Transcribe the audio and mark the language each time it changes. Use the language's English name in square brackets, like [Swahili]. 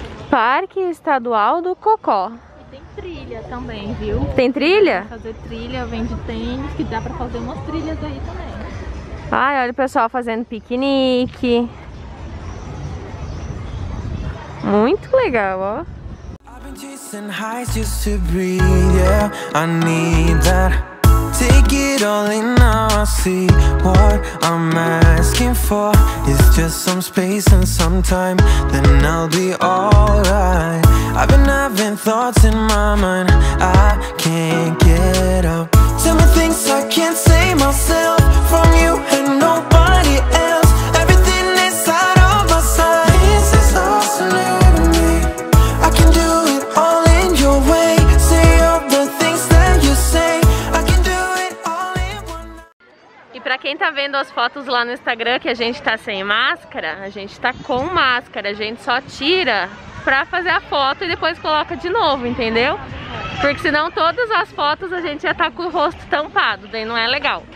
[Portuguese] Parque Estadual do Cocó. Trilha também, viu? Tem trilha? Fazer trilha, vende tênis, que dá pra fazer umas trilhas aí também. Ai, olha o pessoal fazendo piquenique. Muito legal, ó. [English] I've been chasing highs just to breathe, yeah. I need that. Take it all in now, I see what I'm asking for. It's just some space and some time, then I'll be alright. I've been having thoughts in my mind, I can't get up. Tell me things I can't say myself, from you and nobody else. Everything is out of my sight. This is all so new to me. I can do it all in your way. Say all the things that you say. I can do it all in one. [Portuguese] E pra quem tá vendo as fotos lá no Instagram que a gente tá sem máscara, a gente tá com máscara, a gente só tira pra fazer a foto e depois coloca de novo, entendeu? Porque senão todas as fotos a gente já tá com o rosto tampado, daí não é legal.